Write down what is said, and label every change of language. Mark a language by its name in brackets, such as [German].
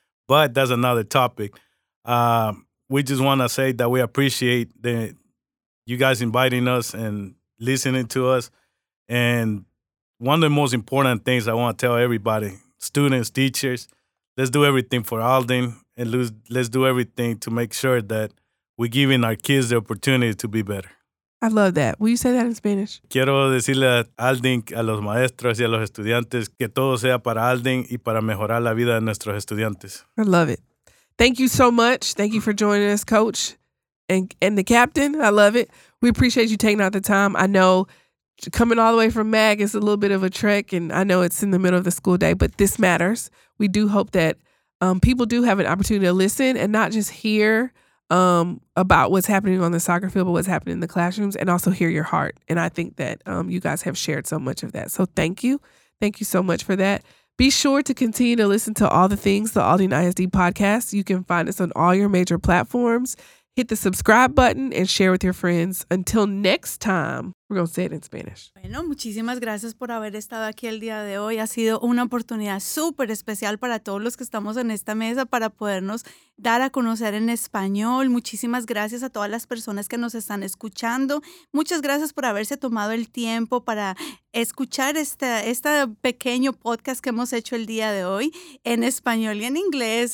[English] But that's another topic. We just want to say that we appreciate you guys inviting us and listening to us. And one of the most important things I want to tell everybody, students, teachers, let's do everything for Alden and let's do everything to make sure that we're giving our kids the opportunity to be better. I love that. Will you say that in Spanish? [Spanish] Quiero decirle a Alden, a los maestros y a los estudiantes, que todo sea para Alden y para mejorar la vida de nuestros estudiantes. [English] I love it. Thank you so much. Thank you for joining us, Coach and the captain. I love it. We appreciate you taking out the time. I know coming all the way from MAG is a little bit of a trek, and I know it's in the middle of the school day, but this matters. We do hope that people do have an opportunity to listen and not just hear about what's happening on the soccer field, but what's happening in the classrooms, and also hear your heart. And I think that you guys have shared so much of that. So thank you. Thank you so much for that. Be sure to continue to listen to all the things, the Alden ISD podcast. You can find us on all your major platforms. Hit the subscribe button and share with your friends. Until next time, we're going to say it in Spanish. [Spanish] Bueno, muchísimas gracias por haber estado aquí el día de hoy. Ha sido una oportunidad súper especial para todos los que estamos en esta mesa para podernos dar a conocer en español. Muchísimas gracias a todas las personas que nos están escuchando. Muchas gracias por haberse tomado el tiempo para escuchar este pequeño podcast que hemos hecho el día de hoy en español y en inglés.